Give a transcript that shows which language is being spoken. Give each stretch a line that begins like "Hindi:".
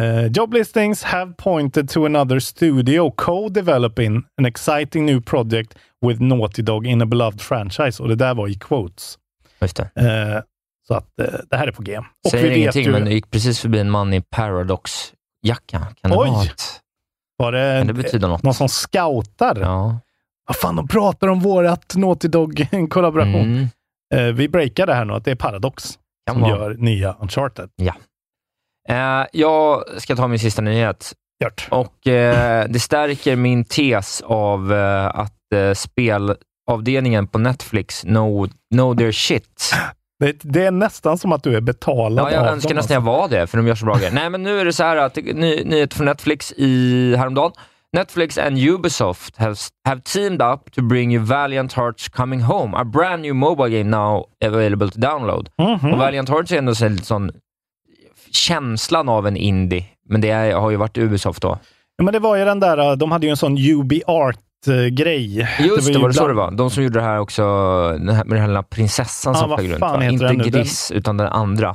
English: Joblistings have pointed to another studio co-developing an exciting new project with Naughty Dog in a beloved franchise.
Swedish: Och det där var i quotes. Just det. Så att det här är på G. Och säger vi ingenting, vet, men du gick precis förbi en man i Paradox-jacka. Kan det vara ett... Var det, det betyder något? Någon som scoutar? Ja. Vad fan, de pratar om vårat Naughty Dog-kollaboration. Mm. Vi breakar det här nu, att det är Paradox kan som vara. Gör nya Uncharted. Ja. Jag ska ta min sista nyhet. Gjort. Och det stärker min tes av att spelavdelningen på Netflix
English: know their shit.
Swedish: Det är nästan som att du är betalad. Ja, jag önskar nästan jag var det, för de gör så bra grejer. Nej, men nu är det så här att nyhet från Netflix i häromdagen.
English: Netflix and Ubisoft have teamed up to bring you Valiant Hearts Coming Home, a brand new mobile game now available to download. Mm-hmm.
Swedish: Och Valiant Hearts är ändå så lite sån känslan av en indie, men det har ju varit Ubisoft då. Ja, men det var ju den där, de hade ju en sån UbiArt-grej. Just det, var det så det var. De som gjorde det här också, med den här prinsessan som flög runt. Inte Gris, utan den andra.